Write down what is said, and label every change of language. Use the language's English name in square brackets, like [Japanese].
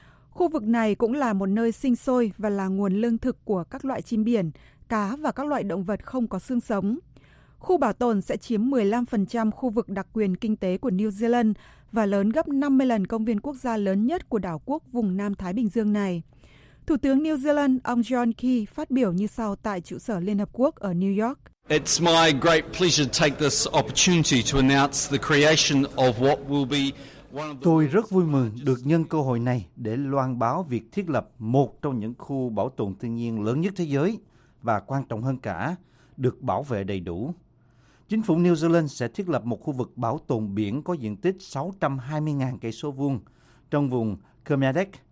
[Vietnamese] Khu vực này cũng là một nơi sinh sôi và là nguồn lương thực của các loại chim biển, cá và các loại động vật không có xương sống. Khu bảo tồn sẽ chiếm 15% khu vực đặc quyền kinh tế của New Zealand và lớn gấp 50 lần công viên quốc gia lớn nhất của đảo quốc vùng Nam Thái Bình Dương này. Thủ tướng New Zealand, ông John Key, phát biểu như sau tại trụ sở Liên Hợp Quốc ở New York. [English] It's my great pleasure to take this opportunity to announce the creation of what will be one of the... [Vietnamese] Tôi rất vui mừng được nhân cơ hội này để loan báo việc thiết lập một trong những khu bảo tồn thiên nhiên lớn nhất thế giới và quan trọng hơn cả, được bảo vệ đầy đủ. Chính phủ New Zealand sẽ thiết lập một khu vực bảo tồn biển có diện tích 620.000 cây số vuông trong vùng Kermadec.